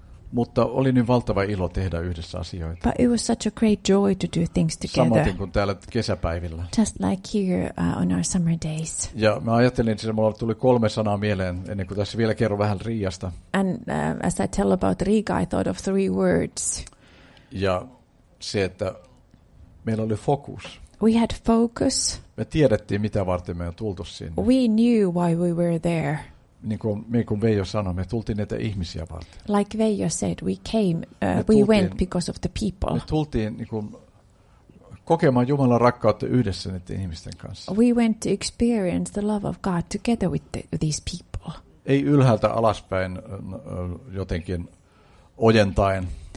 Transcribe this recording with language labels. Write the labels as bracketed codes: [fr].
[fi] Mutta oli niin valtava ilo tehdä yhdessä asioita. [en] But it was such a great joy to do things together. [fi] Samoin kuin täällä kesäpäivillä. [en] Just like here on our summer days. [fi] Ja mä ajattelin, että mulla tuli 3 sanaa mieleen, ennen kuin tässä vielä kerron vähän Riiasta. [en] And as I tell about Riga, I thought of 3 words. [fi] Ja se, että meillä oli fokus. [en] We had focus. [fi] Me tiedettiin, mitä varten me on tultu sinne. [en] We knew why we were there. [fi] Niin kuin Veijo sanoi, me tultiin näitä ihmisiä varten. [en] Like Veijo said, we came, we went because of the people. [fi] Me tultiin niin kuin kokemaan Jumalan rakkautta yhdessä näiden ihmisten kanssa. [en] We went to experience the love of God together with these people. [fi] Ei ylhäältä alaspäin jotenkin ojentaen.